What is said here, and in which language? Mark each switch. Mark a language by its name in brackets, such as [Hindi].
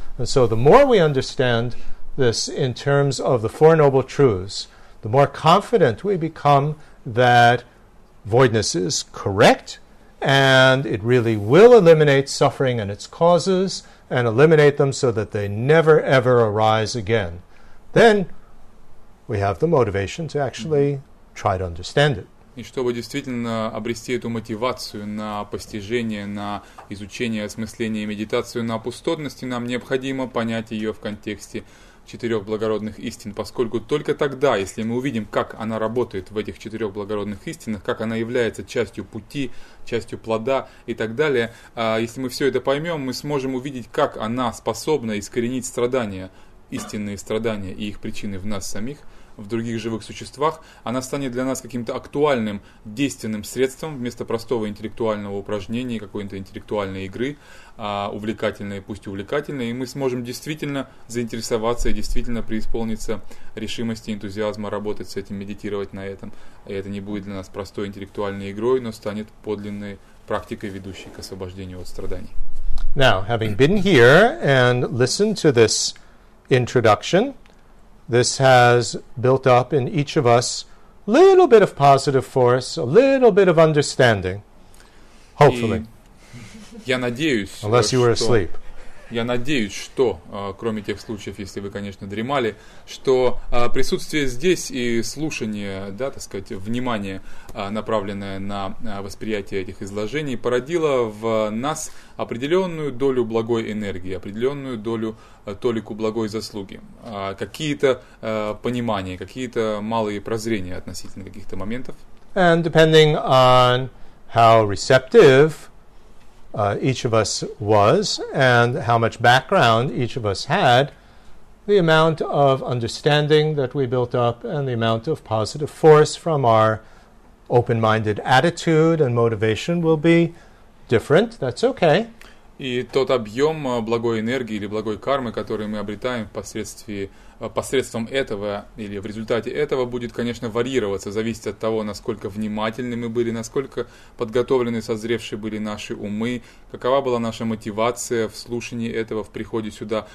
[English] And so the more we understand this in terms of the Four Noble Truths, the more confident we become that voidness is correct and it really will eliminate suffering and its causes and eliminate them so that they never ever arise again. Then we have the motivation to actually try to understand it. [Russian] И чтобы действительно обрести эту мотивацию на постижение, на изучение, осмысление и медитацию на пустотности, нам необходимо понять ее в контексте четырех благородных истин, поскольку только тогда, если мы увидим, как она работает в этих четырех благородных истинах, как она является частью пути, частью плода и так далее, если мы все это поймем, мы сможем увидеть, как она способна искоренить страдания, истинные страдания и их причины в нас самих, в других живых существах, она станет для нас каким-то актуальным, действенным средством вместо простого интеллектуального упражнения, какой-то интеллектуальной игры, увлекательной, пусть увлекательной, и мы сможем действительно заинтересоваться и действительно преисполниться решимости, энтузиазма работать с этим, медитировать на этом. И это не будет для нас простой интеллектуальной игрой, но станет подлинной практикой, ведущей к освобождению от страданий. [English] Now, having been here and listened to this introduction, this has built up in each of us a little bit of positive force, a little bit of understanding, hopefully. [Russian] Я надеюсь, [English] unless you were asleep. [Russian] Я надеюсь, что, кроме тех случаев, если вы, конечно, дремали, что присутствие здесь и слушание, да, так сказать, внимание, направленное на восприятие этих изложений, породило в нас определенную долю благой энергии, определенную долю, толику благой заслуги, какие-то понимания, какие-то малые прозрения относительно каких-то моментов. [English] And depending on how receptive each of us was and how much background each of us had, the amount of understanding that we built up and the amount of positive force from our open-minded attitude and motivation will be different. That's okay. [Russian] И тот объем благой энергии или благой кармы, который мы обретаем посредством этого или в результате этого, будет, конечно, варьироваться, зависеть от того, насколько внимательны мы были, насколько подготовлены, созревшие были наши умы, какова была наша мотивация в слушании этого, в приходе сюда.